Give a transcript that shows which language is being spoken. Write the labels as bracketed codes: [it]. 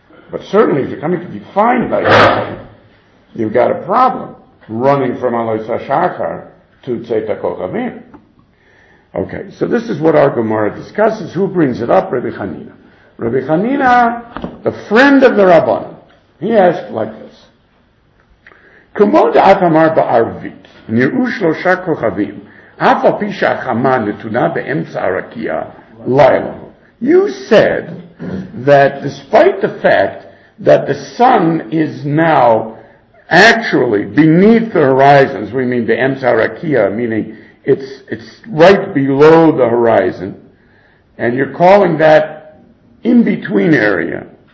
[en] But certainly if you're coming to define by you've got a problem running from Alos HaShachar to Tzeta Kochavim. Okay, so this is what our Gemara discusses. Who brings it up? Rabbi Hanina. Rabbi Hanina, the friend of the Rabban, he asked like this. [he] Kumod Atamar Ba'arvit, Nir'u Shlosha Kochavim, אף על פי שהחמה נתונה באמצע הרקיע לילה. [en] You said that despite the fact that the sun is now actually beneath the horizons, we mean the Emsa Rakia, meaning it's right below the horizon, and you're calling that in-between area.